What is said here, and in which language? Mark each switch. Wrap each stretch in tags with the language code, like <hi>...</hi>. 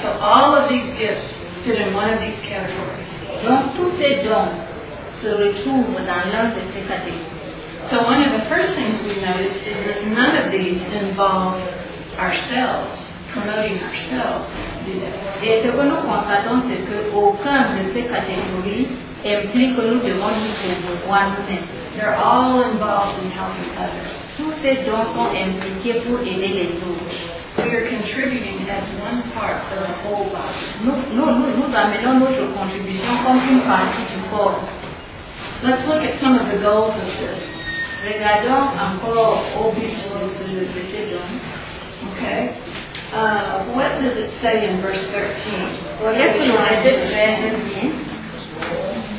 <en>So all of these gifts fit in one of these categories.</en> <fr>Donc tous ces dons se retrouvent dans l'un de ces catégories.</fr> <en>So one of the first things we notice is that none of these involve ourselves, promoting ourselves.</en> <fr>Et ce que nous constatons, c'est qu'aucun de ces catégories implique que nous devons nous promouvoir nous-mêmes.</fr> <en>They're all involved in helping others.</en> <fr>Tous ces dons sont impliqués pour aider les autres.</fr> <en>We are contributing as one part of the whole body.</en> <fr>Nous amenons notre contribution comme une partie du corps.</fr> <en>Let's look at some of the goals of this.</en> <fr>Regardons encore au but de ces dons.</fr> <en>Okay. What does it say in verse 13? Well, yes, you know, I did read it again.</en>